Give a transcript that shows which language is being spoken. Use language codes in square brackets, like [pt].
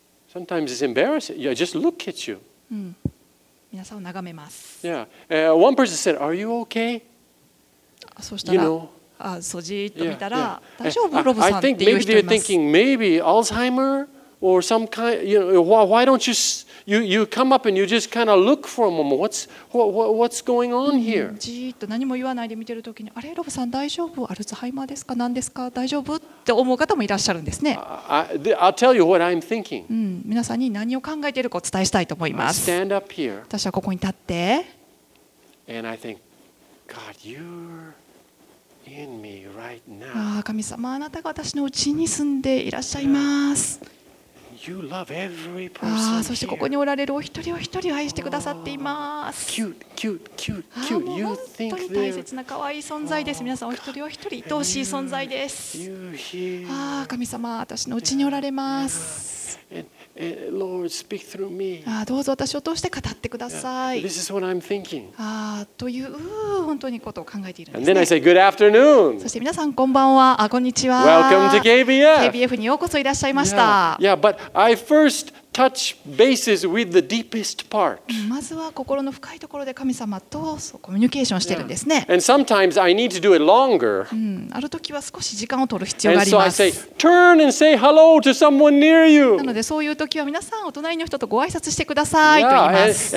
[en] Sometimes it's embarrassing. Yeah, just look at you. [ja] 皆さんを眺めます。 [en] Yeah. One person said, "Are you okay?" [ja] そうしたら、 [en] you know, [ja] そじっと見たら大丈夫ロブさんっていう人います。 [en] I think maybe they're thinking maybe Alzheimer or some kind, you know, why don't you come up and you just kind of look for a moment. What's going on here? [ja] じっと何も言わないで見てるときに、あれロブさん大丈夫？アルツハイマーですか？何ですか？大丈夫？って思う方もいらっしゃるんですね。 [en] I'll tell you what I'm thinking. [ja] 皆さんに何を考えているかお伝えしたいと思います。 [en] Stand up here. [ja] 私はここに立って。 [en] And I think, God, you're... In me right now. [ja] ああ神様あなたが私のうちに住んでいらっしゃいます。 [en] You love every person here. [ja] そしてここにおられるお一人お一人を愛してくださっています。 [en] Cute, cute, cute, cute. You think they're [ja] 本当に大切な可愛い存在です。皆さんお一人お一人愛おしい存在です。ああ神様私のうちにおられます。 [en] Lord, speak through me. [ja] ああどうぞ私を通して語ってください。 [en] This is what I'm thinking. [ja] ああという本当にことを考えているんです [en] And then I say, Good afternoon. [ja] そして皆さんこんばんは。あこんにちは。 [en] Welcome to KBF. [ja] KBF にようこそいらっしゃいました。 [en] Yeah, yeah but I first touch bases with the deepest part. [ja] まずは心の深いところで神様とコミュニケーションしてるんですね。 [en] Yeah. And sometimes I need to do it longer. [ja] ある時は少し時間を取る必要があります。 [en] And so I say, Turn and say hello to someone near you. [ja] なのでそういう時は皆さんお隣の人とご挨拶してくださいと言います。